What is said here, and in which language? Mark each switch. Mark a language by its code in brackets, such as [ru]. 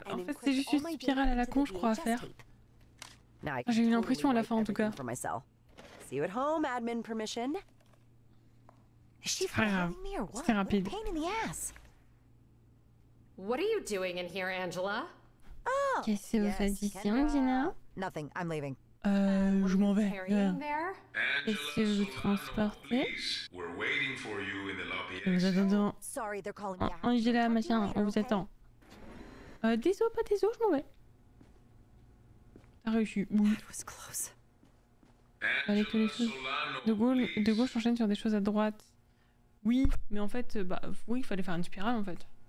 [fr] En fait, c'est juste une spirale à la con, je crois, à faire. J'ai eu l'impression à la fin, en tout cas. [en] See you at home, admin permission. [fr] C'est rapide. [en] Pain in the ass. What are you doing in here, Angela? [fr] Oh, qu'est-ce que vous faites ici, Angela? [en] Nothing, I'm leaving. [fr] Je m'en vais. Qu'est-ce que vous transportez? [en] We're waiting for you in the lobby. [fr] Nous attendons. [en] Sorry, they're calling me. [fr] Angela, machin, on vous attend. Désolé, pas désolé, je m'en vais. T'as réussi. [en] That was close. [fr] Allez, tous les choses. De gauche, enchaîne sur des choses à droite. Oui, mais en fait, bah oui, il fallait faire une spirale en fait.